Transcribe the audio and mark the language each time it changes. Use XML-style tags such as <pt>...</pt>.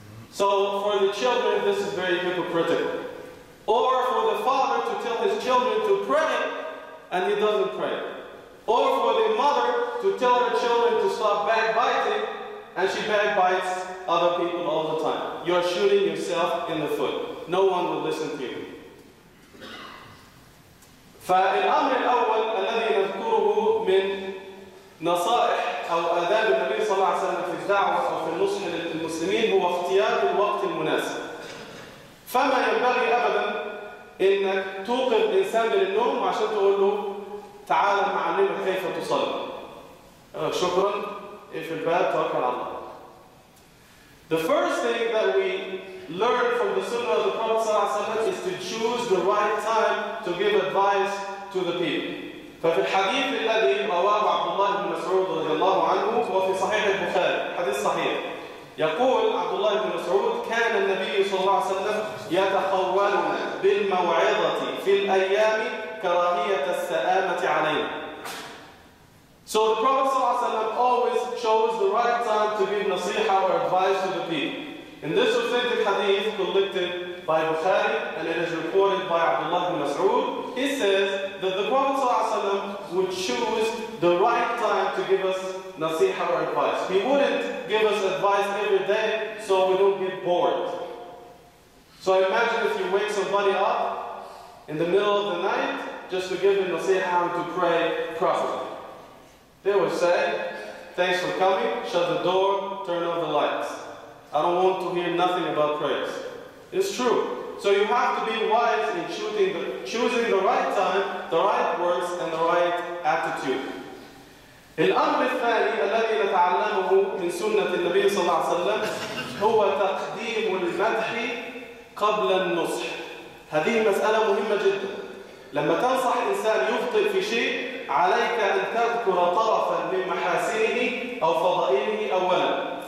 <en>So for the children, this is very hypocritical. Or for the father to tell his children to pray, and he doesn't pray. Or for the mother to tell her children to stop backbiting, and she backbites other people all the time. You're shooting yourself in the foot. No one will listen to you.</en> <ar>فالأمر الأول الذي نذكره من نصائح أو آداب النبي صلى الله عليه وسلم في الدعوة أو في النصح للمسلمين هو اختيار الوقت المناسب. فما ينبغي أبدا إنك توقظ إنسان من النوم عشان تقول له تعال معلمك كيف تصلي. شكرا، اقفل الباب، توكل على الله.</ar> <en>The first thing that we learn from the Sunnah of the Prophet صلى الله عليه وسلم is to choose the right time to give advice to the people.</en> <ar>ففي الحديث الذي رواه عبد الله بن مسعود رضي الله عنه وفي صحيح البخاري، حديث صحيح، يقول عبد الله بن مسعود: كان النبي صلى الله عليه وسلم يتخولنا بالموعظة في الأيام كراهية السآمة علينا.</ar> <en>So the Prophet صلى الله عليه وسلم always chose the right time to give nasiha or advice to the people. In this authentic hadith collected by Bukhari and it is reported by Abdullah ibn Mas'ud, he says that the Prophet ﷺ would choose the right time to give us nasiha or advice. He wouldn't give us advice every day so we don't get bored. So imagine if you wake somebody up in the middle of the night just to give him nasiha and to pray properly. They would say, thanks for coming, shut the door, turn off the lights. I don't want to hear nothing about prayers. It's true. So you have to be wise in choosing the right time, the right words, and the right attitude.</en> <ar>الأمر الثاني الذي نتعلمه من سنة النبي صلى الله عليه وسلم هو تقديم المدح قبل النصح. هذه مسألة مهمة جدا. لما تنصح إنسان يخطئ في شيء عليك أن تذكر طرفا من محاسنه أو فضائله أولا.</ar>